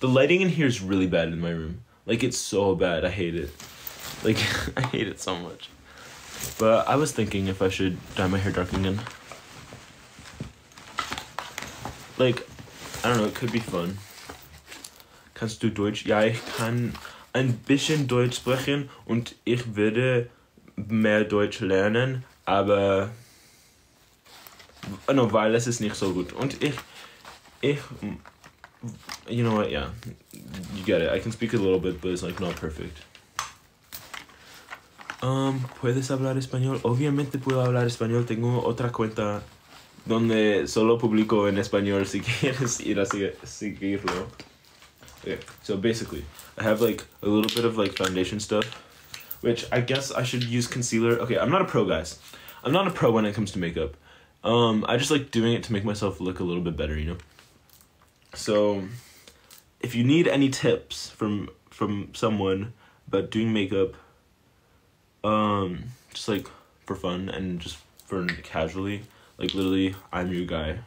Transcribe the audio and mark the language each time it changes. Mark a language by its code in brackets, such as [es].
[en] the lighting in here is really bad in my room. Like, it's so bad. I hate it. Like, I hate it so much. But I was thinking if I should dye my hair dark again. Like, I don't know, it could be fun. [de] Kannst du Deutsch? Ja, ich kann ein bisschen Deutsch sprechen und ich würde mehr Deutsch lernen, aber no, weil es ist nicht so gut. Und ich, [en] you know what, yeah, you get it. I can speak a little bit, but it's like not perfect. [es] ¿Puedes hablar español? Obviamente puedo hablar español, tengo otra cuenta donde solo publico en español si quieres ir a seguirlo. [en] Okay, so basically, I have like a little bit of like foundation stuff, which I guess I should use concealer. Okay, I'm not a pro, guys. I'm not a pro when it comes to makeup. I just like doing it to make myself look a little bit better, you know? So, if you need any tips from someone about doing makeup, just like for fun and just for casually, like, literally, I'm your guy.